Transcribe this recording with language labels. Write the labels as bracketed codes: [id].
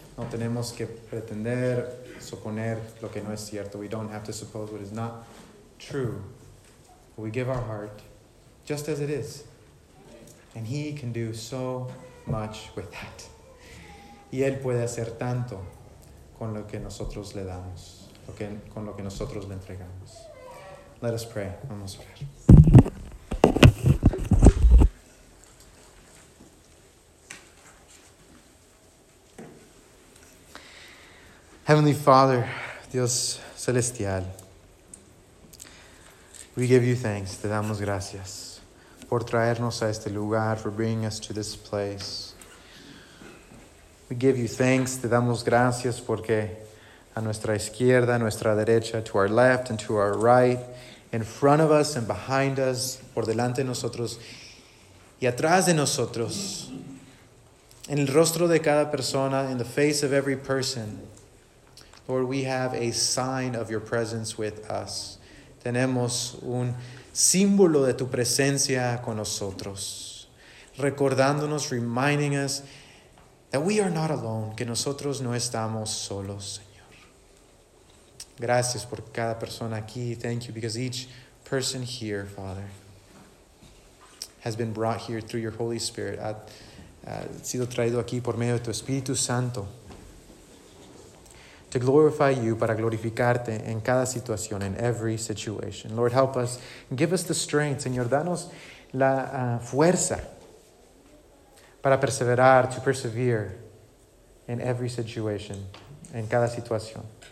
[es] No tenemos que pretender, suponer lo que no es cierto. [en] We don't have to suppose what is not true. But we give our heart just as it is. And He can do so much with that. [es] Y Él puede hacer tanto con lo que nosotros le damos, con lo que nosotros le entregamos. [en] Let us pray. [es] Vamos a orar. [en] Heavenly Father, [es] Dios Celestial, [en] we give you thanks, [es] te damos gracias, por traernos a este lugar, [en] for bringing us to this place. We give you thanks, [es] te damos gracias, porque a nuestra izquierda, a nuestra derecha, [en] to our left and to our right, in front of us and behind us, [es] por delante de nosotros y atrás de nosotros, en el rostro de cada persona, [en] in the face of every person. Lord, we have a sign of your presence with us. [es] Tenemos un símbolo de tu presencia con nosotros. Recordándonos, [en] reminding us that we are not alone, [es] que nosotros no estamos solos, Señor. Gracias por cada persona aquí. [en] Thank you because each person here, Father, has been brought here through your Holy Spirit. [es] Ha sido traído aquí por medio de tu Espíritu Santo. [en] To glorify you, [es] para glorificarte en cada situación, [en] in every situation. Lord, help us. Give us the strength. [es] Señor, danos la fuerza para perseverar, [en] to persevere in every situation, [es] en cada situación.